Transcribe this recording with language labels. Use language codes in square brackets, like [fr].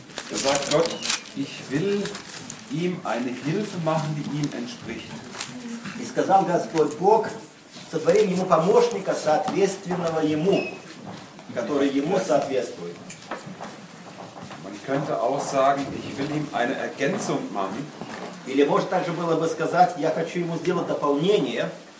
[de] Da sagt Gott, ich will ihm eine Hilfe machen, die ihm entspricht. [ru] И сказал Господь Бог, сотворим ему помощника, соответственного ему, который ему соответствует. [de] Man könnte auch sagen, ich will ihm eine Ergänzung machen. [ru] Или может также было бы сказать, я хочу ему сделать дополнение.